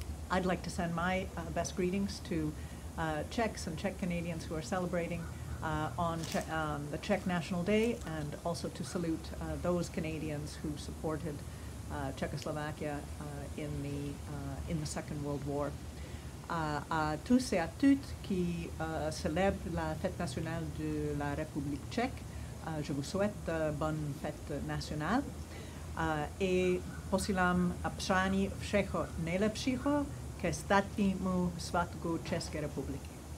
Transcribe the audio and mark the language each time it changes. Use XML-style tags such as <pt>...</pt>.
<en>I'd like to send my best greetings to Czechs and Czech-Canadians who are celebrating the Czech National Day, and also to salute those Canadians who supported Czechoslovakia in the Second World War.</en> <fr>À tous et à toutes qui célèbrent la fête nationale de la République tchèque, je vous souhaite bonne fête nationale.</fr> <cs>Et posílám přání všeho nejlepšího ke státnímu svátku České republiky.</cs>